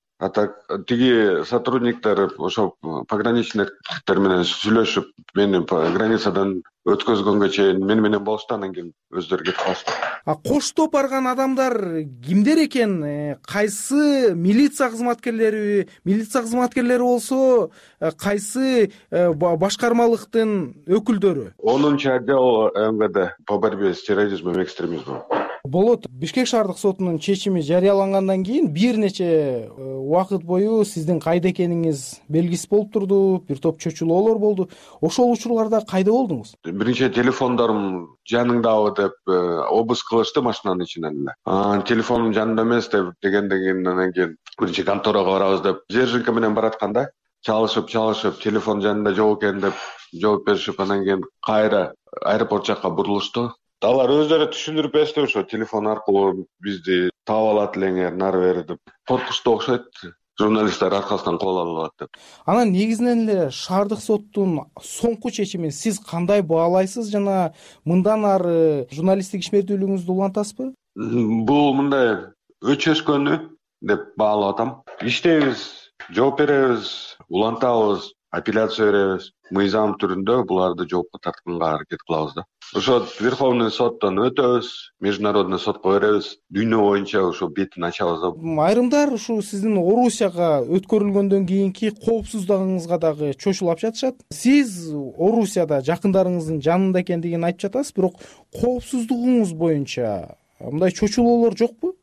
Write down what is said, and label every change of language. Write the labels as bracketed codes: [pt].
[ky] А так тиги сотрудниктер ошо пограничниктер менен сүйлөшүп, мени границадан өткөзгөнгө чейин мени менен болушту, анан кийин өздөрү кетип калышты. А коштоп барган адамдар кимдер экен? Кайсы милиция кызматкерлериби? Милиция кызматкерлери болсо кайсы башкармалыктын өкүлдөрү? [ru] 10-чу отдел МВД по борьбе с терроризмом и экстремизмом. [ky] Болот, Бишкек шаардык сотунун чечими жарыялангандан кийин бир нече убакыт бою сиздин кайда экениңиз белгисиз болуп турду, бир топ чочулоолор болду. Ошол учурларда кайда болдуңуз? Биринчи телефондорум жаныңдабы деп обыск кылышты машинанын ичинен эле. Телефонум жанында эмес деп дегенден кийин, анан кийин биринчи контороого барабыз деп жержинка менен баратканда чалышып телефон жанында жок экен деп жооп беришип, анан кийин кайра аэропорт жакка бурулушту. Алар өздөрү түшүндүрүп беришти, ошо телефон аркылуу бизди таап алат элеңер нары бери деп. Коркушту окшойт, журналисттер аркасынан кол алалат деп. Анан негизинен эле шаардык соттун соңку чечимин сиз кандай баалайсыз жана мындан ары журналисттик ишмердүүлүгүңүздү улантасызбы? Бул мындай өчөшкөнү деп баалап атам. Иштейбиз, жооп беребиз, улантабыз, апелляция беребиз. Мыйзам түрүндө буларды жоопко тартканга аракет кылабыз да. Ошо Верховный соттон өтөбүз, Международный сотко беребиз, дүйнө боюнча ошо бетин ачабыз да. Айрымдар ушул сиздин Орусияга өткөрүлгөндөн кийинки коопсуздугуңузга дагы чочулап жатышат. Сиз Орусияда жакындарыңыздын жанында экендигин айтып жатасыз, бирок коопсуздугуңуз боюнча мындай чочулуулор жокпу?